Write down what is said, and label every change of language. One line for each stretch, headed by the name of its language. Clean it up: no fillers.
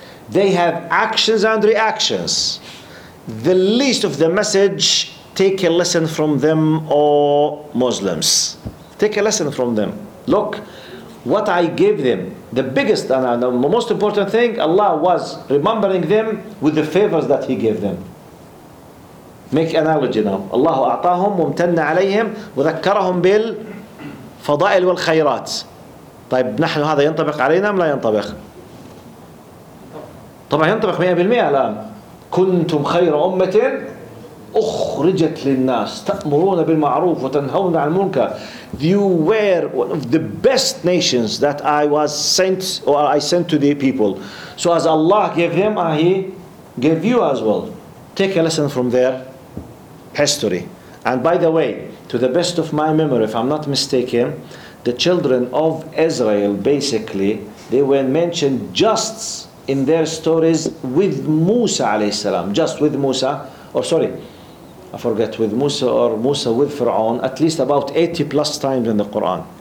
English: They have actions and reactions. The least of the message, take a lesson from them, all Muslims. Take a lesson from them. Look, what I gave them, the biggest and the most important thing, Allah was remembering them with the favors that He gave them. Make analogy now.
Arabic: Allah أعطاهم ومتن عليهم وذكرهم بالفضائل والخيرات. طيب نحن هذا ينطبق علينا أم لا ينطبق؟ طبعا ينطبق 100% الآن. كنتم خير أمة أخرجت للناس تأمرون بالمعروف وتنهون عن المنكر.
English: You were one of the best nations that I was sent or I sent to the people. So as Allah gave them, He gave you as well. Take a lesson from their history. And by the way, to the best of my memory, if I'm not mistaken, the children of Israel, basically, they were mentioned just in their stories with Musa alayhi salam, just with Musa, or sorry, I forget, with Musa or Musa with Fir'aun, at least about 80 plus times in the Quran.